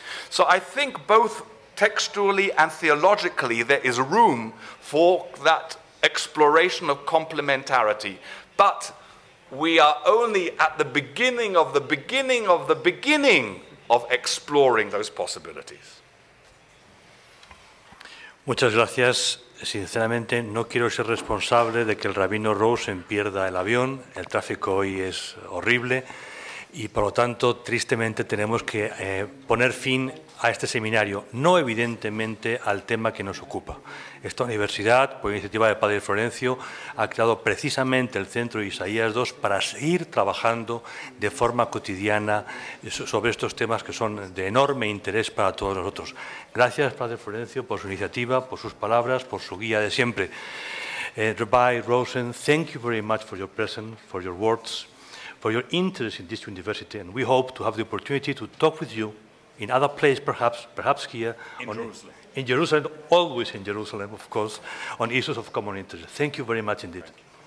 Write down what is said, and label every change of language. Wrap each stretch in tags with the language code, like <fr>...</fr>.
<en>So I think both textually and theologically there is room for that exploration of complementarity. But we are only at the beginning of the beginning of the beginning of exploring those possibilities.</en> <es>Muchas gracias. Sinceramente, no quiero ser responsable de que el rabino Rosen pierda el avión. El tráfico hoy es horrible y, por lo tanto, tristemente tenemos que poner fin a este seminario, no evidentemente al tema que nos ocupa. Esta universidad, por iniciativa de Padre Florencio, ha creado precisamente el Centro de Isaías II para seguir trabajando de forma cotidiana sobre estos temas que son de enorme interés para todos nosotros. Gracias, Padre Florencio, por su iniciativa, por sus palabras, por su guía de siempre.</es> <en>Rabbi Rosen, thank you very much for your presence, for your words, for your interest in this university, and we hope to have the opportunity to talk with you in other place, perhaps here. In Jerusalem. In Jerusalem, always in Jerusalem, of course, on issues of common interest. Thank you very much indeed. Thank you.</en>